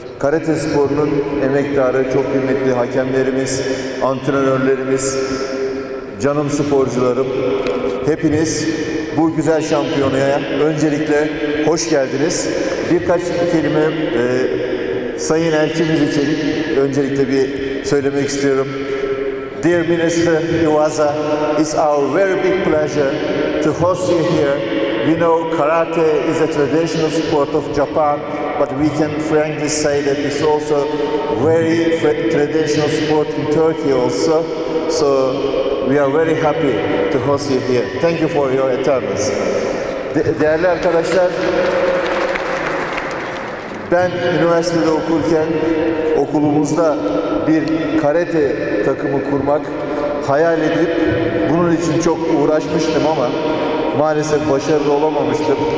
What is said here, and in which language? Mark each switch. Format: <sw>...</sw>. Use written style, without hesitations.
<tr>Karate sporunun emektarı, çok kıymetli hakemlerimiz, antrenörlerimiz, canım sporcularım, hepiniz bu güzel şampiyonaya öncelikle hoş geldiniz. Birkaç kelime Sayın Elçimiz için öncelikle bir söylemek istiyorum.</tr> <en>Dear Minister Yuvasa, it's our very big pleasure to host you here. We know karate is a traditional sport of Japan, but we can frankly say that it's also very traditional sport in Turkey also. So we are very happy to host you here. Thank you for your attendance.</en> <tr>Değerli arkadaşlar, ben üniversitede okurken okulumuzda bir karate takımı kurmak hayal edip bunun için çok uğraşmıştım ama maalesef başarılı olamamıştım.</tr>